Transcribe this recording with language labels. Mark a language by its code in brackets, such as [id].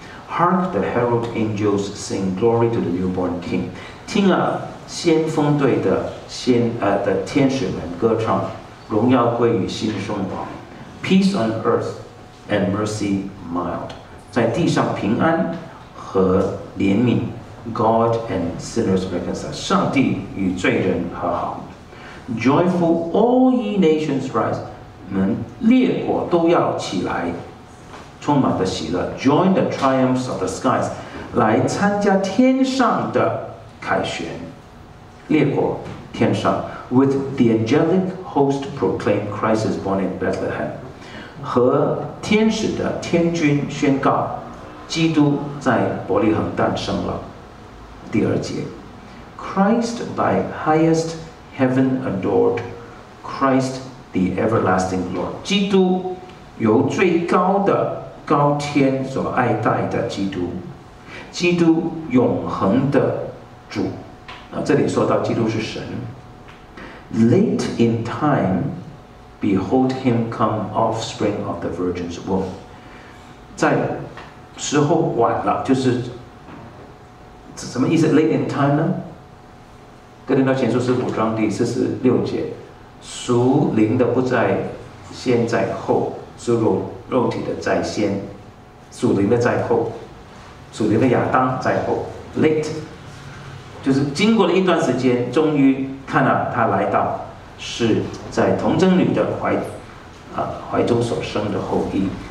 [en] Hark the herald angels sing glory to the newborn king， [zh] 听啊先锋队 的天使们歌唱，荣耀归于新生王。 [en] Peace on earth and mercy mild， [zh] 在地上平安和怜悯。 [en] God and sinners reconciled， [zh] 上帝与罪人和好。 [en] Joyful all ye nations rise， [zh] 们列国都要起来，充满的喜乐。 [en] Join the triumphs of the skies， [zh] 来参加天上的凯旋。列国天上 [en] With the angelic host proclaim Christ is born in Bethlehem， [zh] 和天使的天军宣告基督在伯利恒诞生了。第二节， [en] Christ by highest heaven adored， Christ the everlasting Lord， [zh] 基督由最高的高天所爱戴的基督，基督永恒的主。这里说到基督是神。 [en] Late in time behold him come offspring of the virgin's womb， [zh] 在时候晚了，就是什么意思？ [en] Late in time 呢？ [zh] 哥林多前书15章第46节，属灵的不在先在后，属肉体的在先，属灵的在后，属灵的亚当在后。 Late 就是经过了一段时间，终于看到他来到，是在童贞女的怀中所生的后裔。